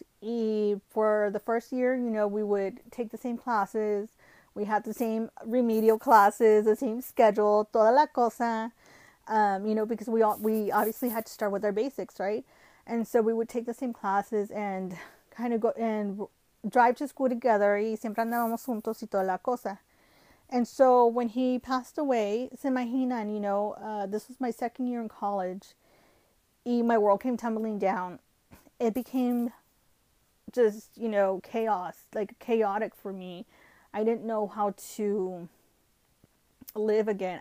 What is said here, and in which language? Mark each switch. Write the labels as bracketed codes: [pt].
[en] And for the first year, you know, we would take the same classes. We had the same remedial classes, the same schedule, [es] toda la cosa. [en] You know, because we obviously had to start with our basics, right? And so we would take the same classes and kind of go and drive to school together. [es] Y siempre andábamos juntos y toda la cosa. [en] And so when he passed away, [es] se imaginan, [en] you know, this was my second year in college. And my world came tumbling down. It became just, you know, chaos, like chaotic for me. I didn't know how to live again.